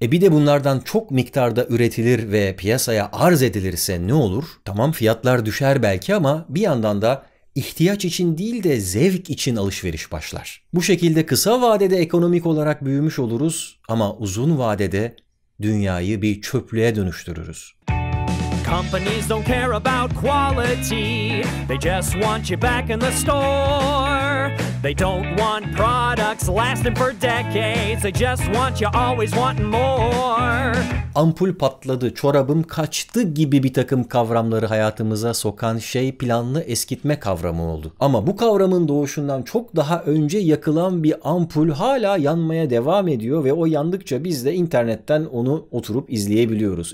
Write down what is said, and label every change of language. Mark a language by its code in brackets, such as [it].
[tr] E bir de bunlardan çok miktarda üretilir ve piyasaya arz edilirse ne olur? Tamam, fiyatlar düşer belki ama bir yandan da ihtiyaç için değil de zevk için alışveriş başlar. Bu şekilde kısa vadede ekonomik olarak büyümüş oluruz ama uzun vadede dünyayı bir çöplüğe dönüştürürüz. [en] Companies don't care about quality. They just want you back in the store. They don't want products lasting for decades. They just want you always wanting more. [tr] Ampul patladı, çorabım kaçtı gibi bir takım kavramları hayatımıza sokan şey planlı eskitme kavramı oldu. Ama bu kavramın doğuşundan çok daha önce yakılan bir ampul hala yanmaya devam ediyor ve o yandıkça biz de internetten onu oturup izleyebiliyoruz.